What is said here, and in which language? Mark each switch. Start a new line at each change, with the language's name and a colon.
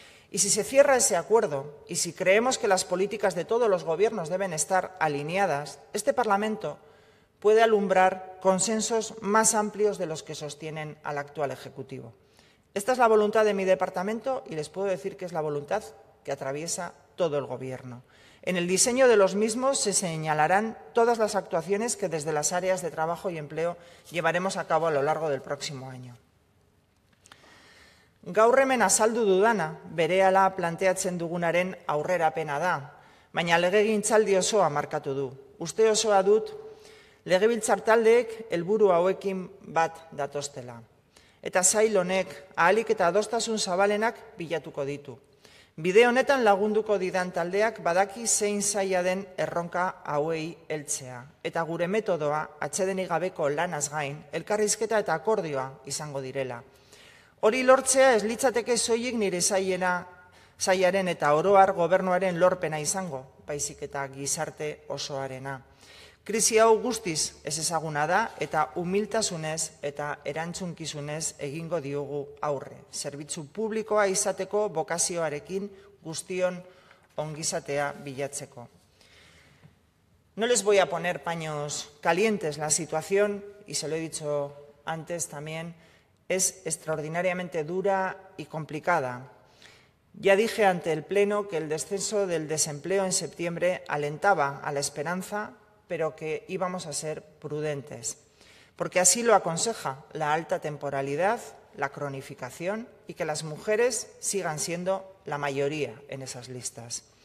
Spanish: Y si se cierra ese acuerdo y si creemos que las políticas de todos los gobiernos deben estar alineadas, este Parlamento puede alumbrar consensos más amplios de los que sostienen al actual Ejecutivo. Esta es la voluntad de mi departamento y les puedo decir que es la voluntad que atraviesa todo el Gobierno. En el diseño de los mismos se señalarán todas las actuaciones que desde las áreas de trabajo y empleo llevaremos a cabo a lo largo del próximo año.
Basque: Gaur hemen azaldu dudana, berehala planteatzen dugunaren aurrerapena da, baina legegintzaldi osoa markatu du. Uste osoa dut, legebiltzar taldeek helburu hauekin bat datostela. Eta sail honek ahalik eta adostasun zabalenak bilatuko ditu. Bide honetan lagunduko didan taldeak badaki zein zaila den erronka hauei heltzea. Eta gure metodoa, atxedenik gabeko lanaz gain, elkarrizketa eta akordioa izango direla. Hori lortzea ez litzateke soilik nire zailena, zailaren eta oroar gobernuaren lorpena izango, baizik eta gizarte osoarena. Krisi hau guztiz ez ezaguna da eta umiltasunez eta erantzunkizunez egingo diogu aurre. Zerbitzu publikoa izateko bokazioarekin guztion ongizatea bilatzeko.
Spanish: No les voy a poner paños calientes. La situación, y se lo he dicho antes también, es extraordinariamente dura y complicada. Ya dije ante el Pleno que el descenso del desempleo en septiembre alentaba a la esperanza, pero que íbamos a ser prudentes, porque así lo aconseja la alta temporalidad, la cronificación y que las mujeres sigan siendo la mayoría en esas listas.